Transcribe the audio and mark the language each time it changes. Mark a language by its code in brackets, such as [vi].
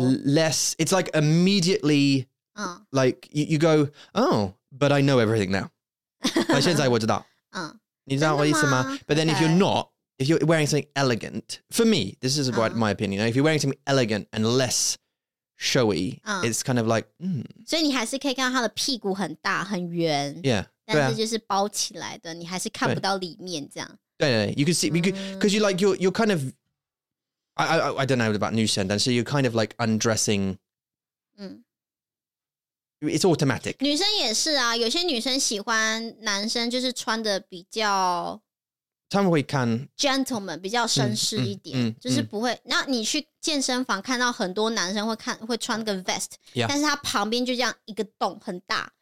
[en] Less... It's like immediately... like you go, oh, but I know everything now. [zh] 现在我知道。你知道我意思吗? [en] But then if you're not, if you're wearing something elegant, for me, this is what my opinion, if you're wearing something elegant and less showy, it's kind of like, hmm. [zh] 所以你还是可以看到他的屁股很大,很圆。 [en] Yeah. [zh] 但是就是包起来的,你还是看不到里面这样。对对对, [en] you can see, because you're like, you're kind of, I don't know about 女生, [zh] 但是 [en] you're kind of like undressing, It's automatic. [zh] 女生也是啊，有些女生喜欢男生就是穿的比较，他们会看 gentleman 比较绅士一点，就是不会。那你去健身房看到很多男生会穿个 vest， [en] yeah. [zh] 但是他旁边就这样一个洞很大，